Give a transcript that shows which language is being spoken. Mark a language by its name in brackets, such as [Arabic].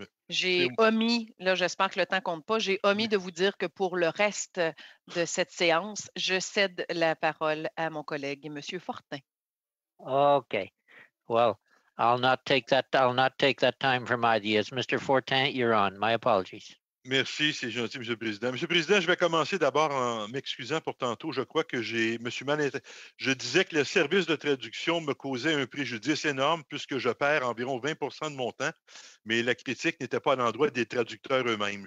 [French] J'ai omis, là j'espère que le temps compte pas, j'ai omis de vous dire que pour le reste de cette séance, je cède la parole à mon collègue, Monsieur Fortin. [English] Okay, well, I'll not take that time from ideas. Mr. Fortin, you're on, my apologies. [French] Merci, c'est gentil, M. le Président. M. le Président, je vais commencer d'abord en m'excusant pour tantôt. Je crois que j'ai, Monsieur Mann, je disais que le service de traduction me causait un préjudice énorme puisque je perds environ 20% de mon temps, mais la critique n'était pas à l'endroit des traducteurs eux-mêmes.